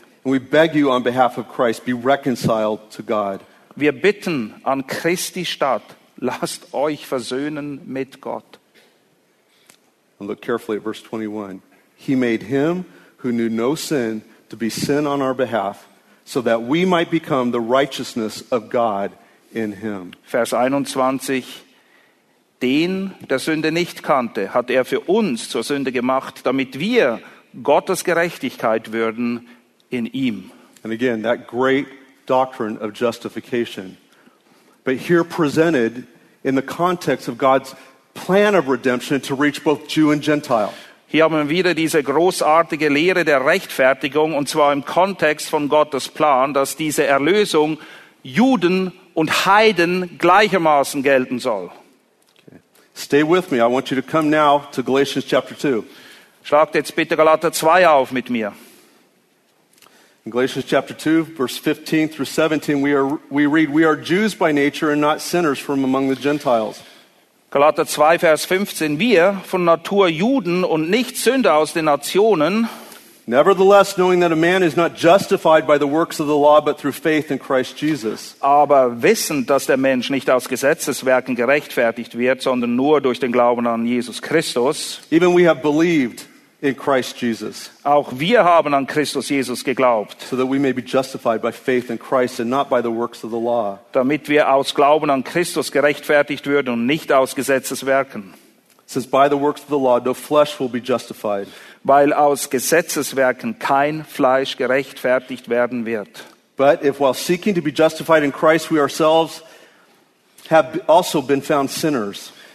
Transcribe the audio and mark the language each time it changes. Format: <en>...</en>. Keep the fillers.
<en>And we beg you on behalf of Christ, be reconciled to God.</en> <de>Wir bitten an Christi Stadt, lasst euch versöhnen mit Gott.</de> <en>And look carefully at verse 21. He made him who knew no sin to be sin on our behalf so that we might become the righteousness of God in him.</en> <de>Verse 21 Den der Sünde nicht kannte, hat er für uns zur Sünde gemacht, damit wir Gottes Gerechtigkeit würden in ihm.</de> <en>And again that great doctrine of justification but here presented in the context of God's plan of redemption to reach both Jew and Gentile.</en> <de>Hier haben wir wieder diese großartige Lehre der Rechtfertigung und zwar im Kontext von Gottes Plan, dass diese Erlösung Juden und Heiden gleichermaßen gelten soll.</de> <en>Okay. Stay with me. I want you to come now to Galatians chapter 2.</en> <de>Schlagt jetzt bitte Galater 2 auf mit mir.</de> <en>In Galatians chapter 2, verse 15 through 17, we, are, we read, We are Jews by nature and not sinners from among the Gentiles.</en> <de>Galater 2, Vers 15. Wir von Natur Juden und nicht Sünder aus den Nationen.</de> <en>Nevertheless, knowing that a man is not justified by the works of the law, but through faith in Christ Jesus.</en> <de>Aber wissend, dass der Mensch nicht aus Gesetzeswerken gerechtfertigt wird, sondern nur durch den Glauben an Jesus Christus.</de> <en>Even we have believed. in Christ Jesus.</en> <de>Auch wir haben an Christus Jesus geglaubt.</de> <en>So that we may be justified by faith in Christ and not by the works of the law.</en> <de>Damit wir aus Glauben an Christus gerechtfertigt würden und nicht aus Gesetzeswerken.</de> <en>Since by the works of the law no flesh will be justified.</en> <de>Weil aus Gesetzeswerken kein Fleisch gerechtfertigt werden wird.</de> <en>But if while seeking to be justified in Christ we ourselves have also been found sinners.</en>